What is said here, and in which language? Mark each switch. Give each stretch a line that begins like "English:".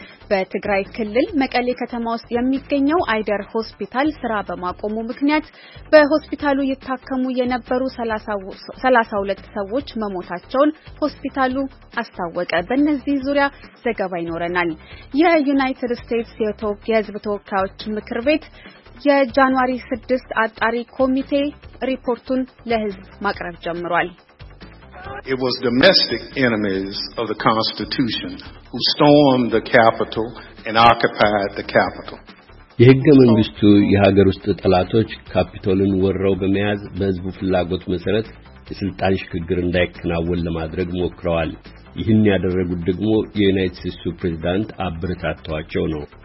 Amharic: በትግራይ ክልል መቀሌ ከተማ ውስጥ የሚገኘው አይደር ሆስፒታል ስራ በማቆሙ ምክንያት በሆስፒታሉ ይታከሙ የነበሩ 32 ሰዎች መሞታቸውን ሆስፒታሉ አስታወቀ። በእነዚህ ዙሪያ ዘገባ ይኖረናል። የዩናይትድ ስቴትስ የህዝብ ተወካዮች ምክር ቤት የጃንዋሪ 6 አጣሪ ኮሚቴ ሪፖርቱን ለህዝብ ማቅረብ ጀምሯል።
English: It was domestic enemies of the Constitution who stormed the Capitol and occupied the Capitol.
Amharic: የህገ መንግስቱ የሀገር ውስጥ ጠላቶች ካፒቶልን ወረው በመያዝ በህዝቡ ፍላጎት መሰረት የስልጣን ሽግግር እንዳይከናወን ለማድረግ ሞክረዋል። ይህን ያደረጉት ደግሞ የዩናይትድ ስቴትስ ፕሬዝዳንት አብርታቸው ነው።